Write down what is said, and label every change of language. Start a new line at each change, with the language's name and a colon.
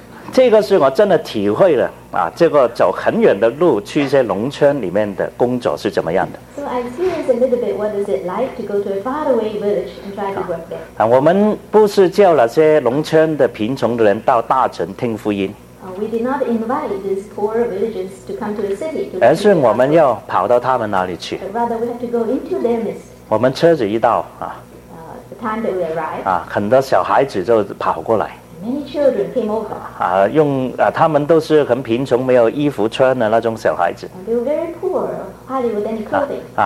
Chinese: 这个是我真的体会了啊！这个走很远的路去一些农村里面的工作是怎么样的？
English: So I experienced a little bit. What is it like to go to a faraway village and try to work there?
Chinese: 啊，我们不是叫那些农村的贫穷的人到大城听福音。
English: We did not invite these poor villages to come to a city.
Chinese: 而是我们要跑到他们那里去。
English: But rather, we have to go into their midst.
Chinese: 我们车子一到啊。
English: Time that we arrived,
Chinese: 很多小孩子就跑过来。
English: Many children came over.
Chinese: 他们都是很贫穷，没有衣服穿的那种小孩子。
English: They were very poor, hardly with any clothing.